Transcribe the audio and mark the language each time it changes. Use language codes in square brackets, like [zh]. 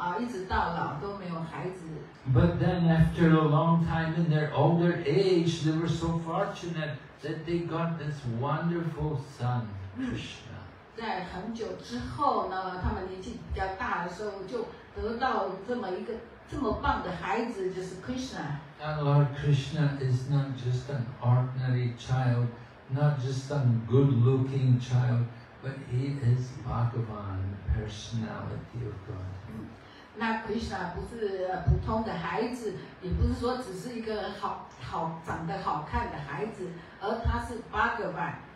[zh] 那南达大君跟亚修达母亲呢，结婚了很久，一直没有孩子。他们那时候还蛮担心，就说可能一直到老都没有孩子。But [en] then after a long time in their older age, they were so fortunate that they got this wonderful son, Krishna. [zh] 在很久之后呢，他们年纪比较大的时候就 得到这么一个这么棒的孩子，就是 Krishna. [en] Lord Krishna is not just an ordinary child, not just some good-looking child, but he is Bhagavan, the personality of God. [zh] 那 Krishna 不是普通的孩子，也不是说只是一个好长得好看的孩子，而他是 Bhagavan.